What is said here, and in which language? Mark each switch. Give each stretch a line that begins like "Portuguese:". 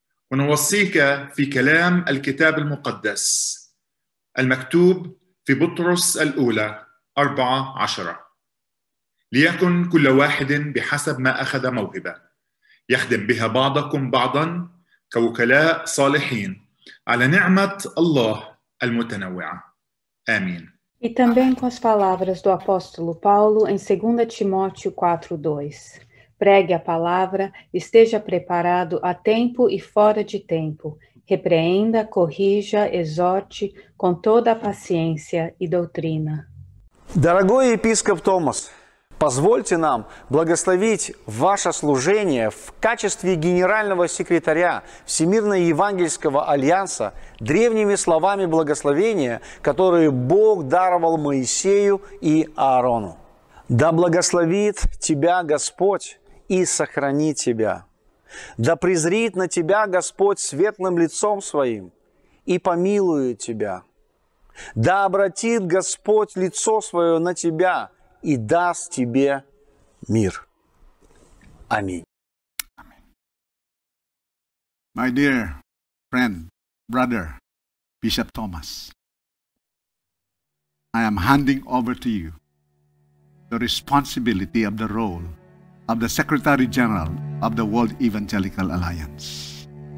Arabic: ونوصيك في كلام الكتاب المقدس المكتوب في بطرس الأولى 4:10 ليكن كل واحد بحسب ما أخذ موهبة يخدم بها بعضكم بعضا كوكلاء صالحين على نعمة الله المتنوعة آمين.
Portuguese: E também com as palavras do apóstolo Paulo em 2 Timóteo 4:2. Pregue a palavra, esteja preparado a tempo e fora de tempo. Repreenda, corrija, exorte com toda a paciência e doutrina.
Russian: Дорогой епископ Томас, позвольте нам благословить ваше служение в качестве генерального секретаря Всемирного Евангельского Альянса древними словами благословения, которые Бог даровал Моисею и Аарону. Да благословит тебя Господь и сохранит тебя. Да презрит на тебя Господь светлым лицом своим и помилует тебя. Да обратит Господь лицо свое на тебя и даст тебе мир. Аминь.
English: My dear friend, brother, Bishop Thomas, I am handing over to you the responsibility of the role of the Secretary General of the World Evangelical Alliance.